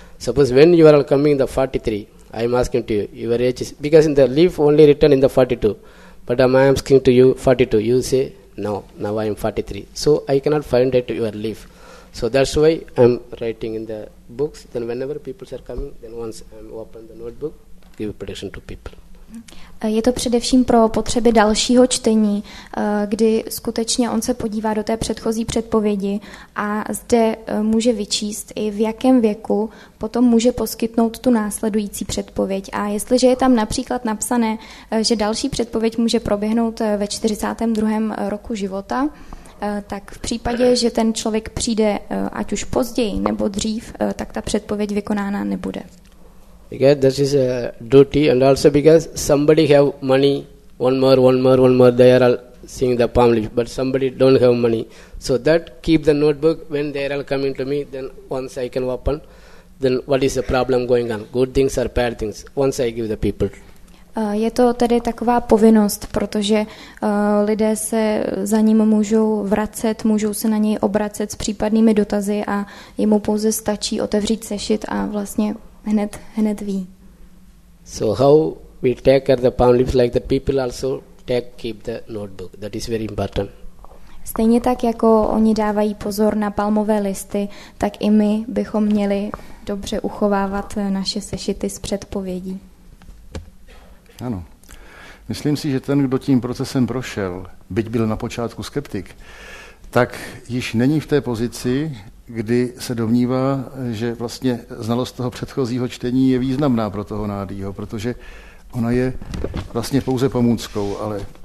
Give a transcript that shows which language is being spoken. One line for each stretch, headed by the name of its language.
English: Suppose when you are coming in the 43, I am asking to you, your age is, because in the leaf only written in the 42, but I am asking to you 42, you say, no, now I am 43. So I cannot find it to your leaf. So that's why I am writing in the books, then whenever people are coming, then once I open the notebook, give a prediction to people.
Czech: Je to především pro potřeby dalšího čtení, kdy skutečně on se podívá do té předchozí předpovědi a zde může vyčíst, i v jakém věku potom může poskytnout tu následující předpověď. A jestliže je tam například napsané, že další předpověď může proběhnout ve 42. roku života, tak v případě, že ten člověk přijde ať už později nebo dřív, tak ta předpověď vykonána nebude.
English: Because this is a duty, and also because somebody have money, one more, they are all seeing the palm leaf, but somebody don't have money. So that keep the notebook, when they are all coming to me, then once I can open, then what is the problem going on? Good things or bad things? Once I give the people.
Czech: Je to tedy taková povinnost, protože lidé se za ním můžou vracet, můžou se na něj obracet s případnými dotazy a jemu pouze stačí otevřít sešit a vlastně hned ví.
English: So how we take care of the palm leaves like the people also take keep the notebook. That is very important.
Czech: Stejně tak jako oni dávají pozor na palmové listy, tak i my bychom měli dobře uchovávat naše sešity z předpovědí. Ano. Myslím si, že ten, kdo tím procesem prošel, byť byl na počátku skeptik, tak již není v té pozici, kdy se domnívá, že vlastně znalost toho předchozího čtení je významná pro toho nádýho, protože ona je vlastně pouze pomůckou, ale